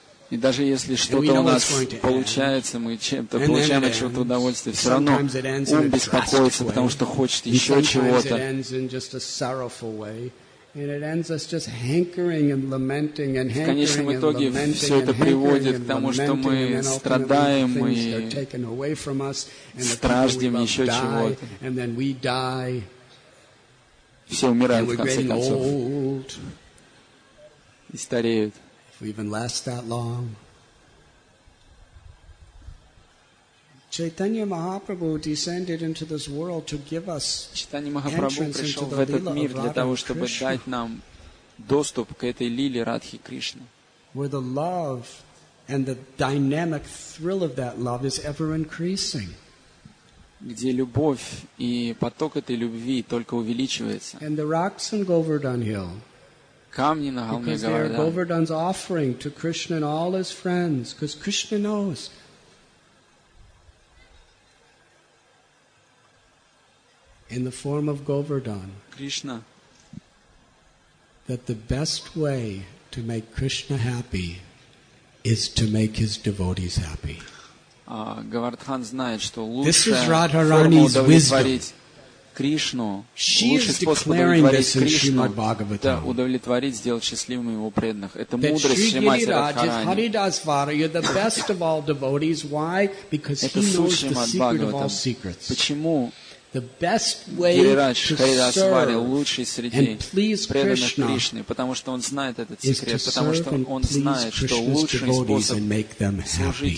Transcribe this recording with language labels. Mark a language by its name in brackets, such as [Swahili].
[Russian] И даже если что-то у нас получается, мы чем-то получаем от чего-то удовольствие, все равно ум беспокоится, потому что хочет еще чего-то. [English] And it ends us just hankering and lamenting and hankering. [Russian] В конечном итоге все это приводит к тому, что мы страдаем и страждем еще чего-то. Все умирают в конце концов. И стареют. [English] If we even last that long. Chaitanya Mahaprabhu descended into this world to give us entrance into the lila of Radha Krishna. Where the love and the dynamic thrill of that love is ever increasing. [Russian] Где любовь и поток этой любви только увеличивается. [English] And the rocks on Govardhan Hill. [Russian] Камни на холме Говардхан. [English] Because they are Govardhan's offering to Krishna and all his friends, because Krishna knows. In the form of Govardhan, Krishna, that the best way to make Krishna happy is to make his devotees happy. [Russian] Govardhan знает, что лучшая форма удовлетворить Кришну, лучший способ удовлетворить Кришну, это удовлетворить, сделать счастливым его преданных. Это мудрость Шримати Радхарани. [English] That Sri Giriraj, Haridasvarya, the best of all devotees. Why? Because he knows the secret of all secrets. [Russian] Почему? [English] The best way to serve and please Krishna is to serve and please Krishna's devotees and make them happy.